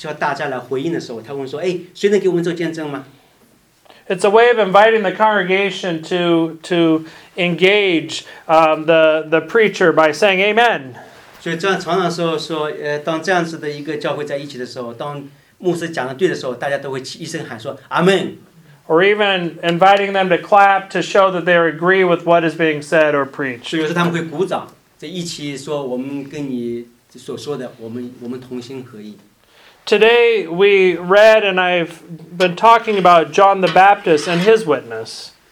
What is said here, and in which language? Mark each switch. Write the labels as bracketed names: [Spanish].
[Chinese] 所以，当我们在非裔教会里面或者黑人教会里面，当一个牧师讲道的时候，要讲到需要大家来回应的时候，他问说：“哎，谁能给我们做见证吗？” [English] It's a way of inviting the congregation to engage the preacher by saying "Amen." [Chinese] 所以这样常常说，当这样子的一个教会在一起的时候，当牧师讲的对的时候，大家都会一声喊说：“Amen." [English] Or even inviting them to clap to show that they agree with what is being said or preached. [Chinese] 有时他们会鼓掌，在一起说我们跟你所说的，我们同心合意。 [English] Today we read and I've been talking about John the Baptist and his witness.